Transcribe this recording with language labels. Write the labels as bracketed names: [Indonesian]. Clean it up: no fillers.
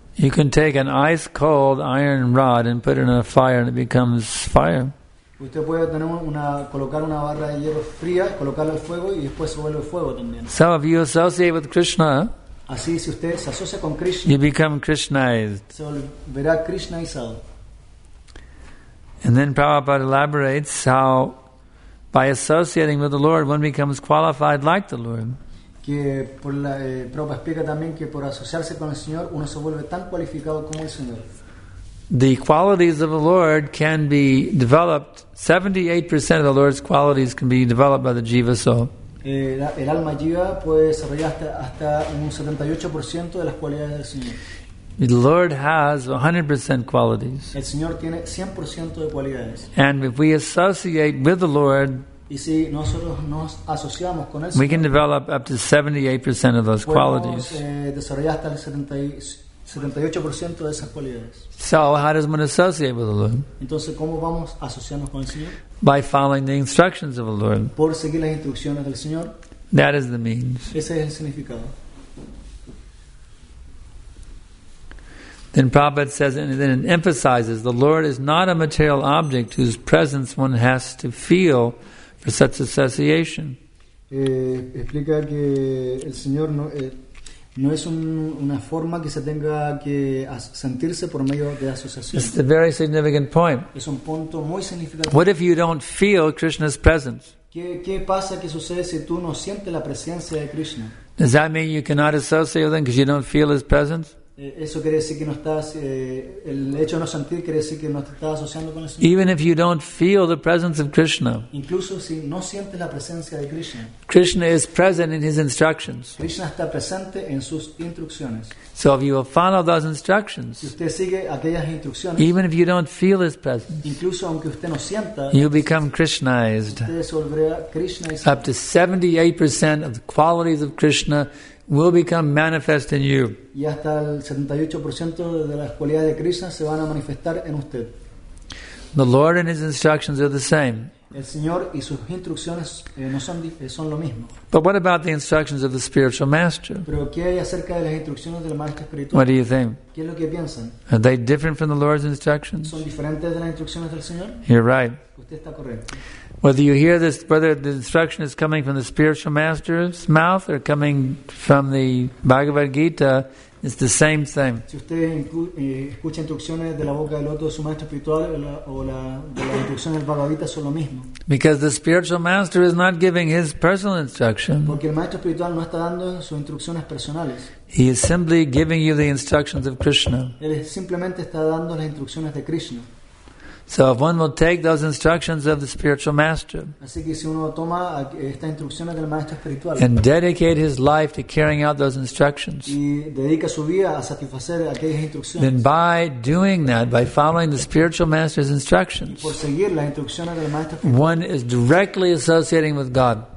[English] You can take an ice cold iron rod and put it in a fire and it becomes fire. [Spanish] Usted puede tener colocar una barra de hierro fría, colocarla al fuego y después se vuelve fuego también. [English] So if you associate with Krishna, [Spanish] así si usted se asocia con Krishna, [English] you become Krishnaized. [Spanish] Se volverá Krishnaizado. [English] And then Prabhupada elaborates how by associating with the Lord one becomes qualified like the Lord. [Spanish] Prabhupada explica también que por asociarse con el Señor uno se vuelve tan cualificado como el Señor. [English] The qualities of the Lord can be developed. 78% of the Lord's qualities can be developed by the jiva soul. [Spanish] El alma jiva puede desarrollar hasta un 78% de las cualidades del Señor. [English] The Lord has 100% qualities. [Spanish] El Señor tiene 100% de cualidades. [English] And if we associate with the Lord, [Spanish] y si nosotros nos asociamos con el [English] Señor, we can develop up to 78% of those qualities. [Spanish] Desarrollar hasta el 78% de esas cualidades. [English] So, how does one associate with the Lord? [Spanish] Entonces, ¿cómo vamos a asociarnos con el Señor? [English] By following the instructions of the Lord. [Spanish] Por seguir las instrucciones del Señor. [English] That is the means. [Spanish] Ese es el significado. [English] Then Prabhupada says, and then it emphasizes, the Lord is not a material object whose presence one has to feel for such association. [Spanish] Explica que el Señor no. No es una forma que se tenga que sentirse por medio de asociación. [English] It's a very significant point. [Spanish] Es un punto muy significativo. [English] What if you don't feel Krishna's presence? [Spanish] ¿Qué pasa que sucede si tú no sientes la presencia de Krishna? [English] Does that mean you cannot associate with him because you don't feel his presence? [Spanish] Eso quiere decir que no estás el hecho de no sentir quiere decir que no te estás asociando con el Señor. [English] Even if you don't feel the presence of Krishna. [Spanish] Incluso si no sientes la presencia de Krishna. [English] Krishna is present in his instructions. [Spanish] Krishna está presente en sus instrucciones. [English] So if you will follow those instructions. [Spanish] Si usted sigue aquellas instrucciones. [English] Even if you don't feel his presence. [Spanish] Incluso aunque usted no sienta. [English] You become Krishnaized. [Spanish] Usted se volverá Krishnaized. [English] Up to 78% of the qualities of Krishna will become manifest in you. [Spanish] Y hasta el 78% de las cualidades de Krishna se van a manifestar en usted. [English] The Lord and his instructions are the same. [Spanish] El Señor y sus instrucciones no son lo mismo. [English] But what about the instructions of the spiritual master? [Spanish] Pero ¿qué hay acerca de las instrucciones del maestro espiritual? [English] What do you think? [Spanish] ¿Qué es lo que piensan? [English] Are they different from the Lord's instructions? [Spanish] ¿Son diferentes de las instrucciones del Señor? [English] You're right. [Spanish] Usted está correcto. [English] Whether you hear this, whether the instruction is coming from the spiritual master's mouth or coming from the Bhagavad Gita, it's the same thing. [Spanish] Si usted escucha instrucciones de la boca del otro su maestro espiritual o las instrucciones del Bhagavad Gita son lo mismo. [English] Because the spiritual master is not giving his personal instruction. [Spanish] Porque el maestro espiritual no está dando sus instrucciones personales. [English] He is simply giving you the instructions of Krishna. [Spanish] Él simplemente está dando las instrucciones de Krishna. [English] So if one will take those instructions of the spiritual master and dedicate his life to carrying out those instructions, then by doing that, by following the spiritual master's instructions, one is directly associating with God.